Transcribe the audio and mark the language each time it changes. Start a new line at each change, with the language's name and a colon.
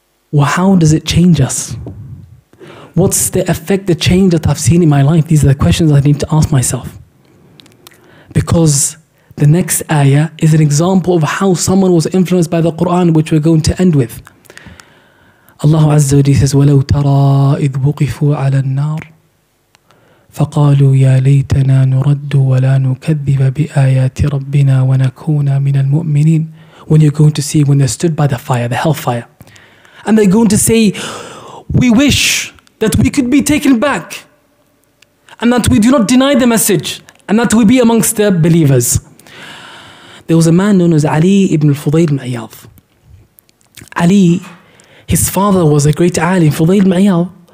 English: Well, how does it change us? What's the effect, the change that I've seen in my life? These are the questions I need to ask myself. Because the next ayah is an example of how someone was influenced by the Quran, which we're going to end with.
Arabic: Allah Azza wa Jalla says, وَلَوْ تَرَىٰ إِذْ وُقِفُوا عَلَى النَّارِ فَقَالُوا يَا لَيْتَنَا نُرَدُّ وَلَا نُكَذِّبَ بِآيَاتِ رَبِّنَا وَنَكُونَ مِنَ الْمُؤْمِنِينَ.
English: When you're going to see when they stood by the fire, the hellfire, and they're going to say, we wish that we could be taken back and that we do not deny the message and that we be amongst the believers. There was a man known as Ali ibn Fudayl ibn Iyad. Ali, his father was a great alim, Fudayl ibn Iyad.